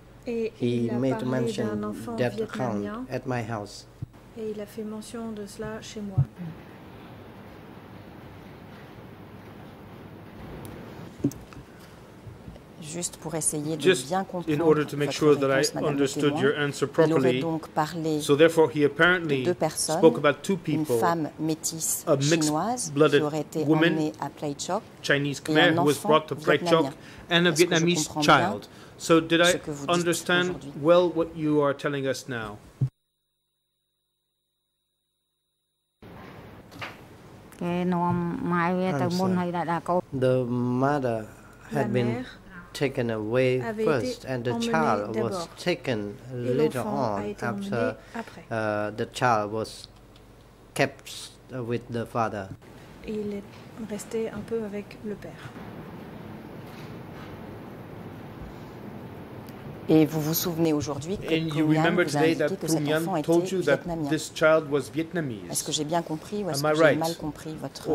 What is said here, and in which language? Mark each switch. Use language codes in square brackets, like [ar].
[en] He made mention that account at my house. [fr] Et il a fait mention de cela chez moi. juste pour essayer de bien comprendre votre réponse, madame le témoin. Il aurait donc parlé de deux personnes, une femme métisse chinoise qui aurait été emmenée à Play Chok, [en] Chinese Khmer who was brought to Play Chok, and a Vietnamese child. So did I understand well what you are telling us now? The mother had been taken away first, and the child was taken later on after the child was kept with the father. [fr] Il est resté un peu avec le père. Et vous vous souvenez aujourd'hui que Phu Nhan vous a indiqué que cet enfant était vietnamien. Est-ce que j'ai bien compris ou est-ce que j'ai mal compris votre réponse?